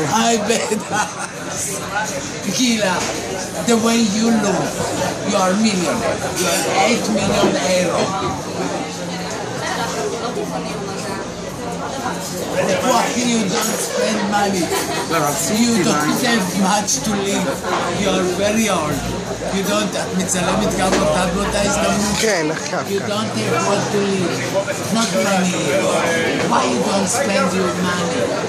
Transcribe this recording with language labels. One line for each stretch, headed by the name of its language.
English: I bet Gila, the way you look, you are million. You are 8 million euro. Why you don't spend money? You don't have much to live. You are very old. You don't
Hebrew: מצלמת גם אותה באותה הזדמנות? כן, אחר כך.
English: You don't have what to live. Not money. Why you don't spend your money?